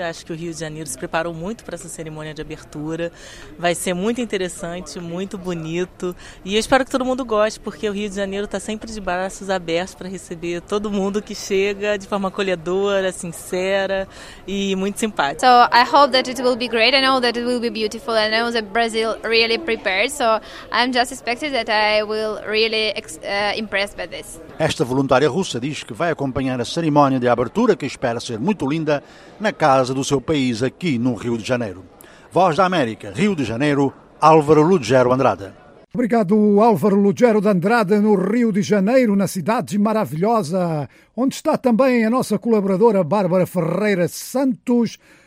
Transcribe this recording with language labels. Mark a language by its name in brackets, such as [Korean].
[Portuguese] Acho que o Rio de Janeiro se preparou muito para essa cerimônia de abertura. Vai ser muito interessante, muito bonito, e eu espero que todo mundo goste, porque o Rio de Janeiro está sempre de braços abertos para receber todo mundo que chega de forma acolhedora, sincera e muito simpática. [English] So I hope that it will be great. I know that it will be beautiful. I know that Brazil really prepared. So I'm just expecting that I will really impressed by this. [Portuguese] Esta voluntária russa diz que vai acompanhar a cerimónia de abertura, que espera ser muito linda, na casa do seu país aqui no Rio de Janeiro. Voz da América, Rio de Janeiro, Álvaro Lugero Andrade. Obrigado, Álvaro Lugero de Andrade, no Rio de Janeiro, na cidade maravilhosa, onde está também a nossa colaboradora Bárbara Ferreira Santos.